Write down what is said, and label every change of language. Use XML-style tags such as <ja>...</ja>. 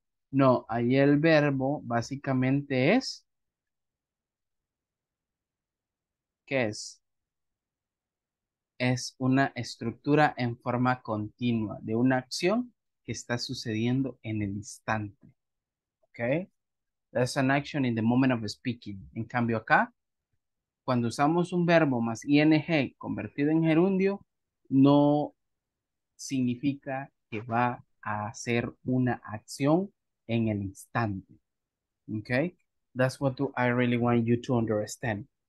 <es>No, ahí el verbo básicamente es, ¿qué es? Es una estructura en forma continua de una acción que está sucediendo en el instante. ¿Ok?</es> <en>That's an action in the moment of speaking.</en> <es>En cambio acá, cuando usamos un verbo más ing convertido en gerundio, no significa que va a hacer una acción en el instante. Okay?</es> <en>That's what I really want you to understand.</en>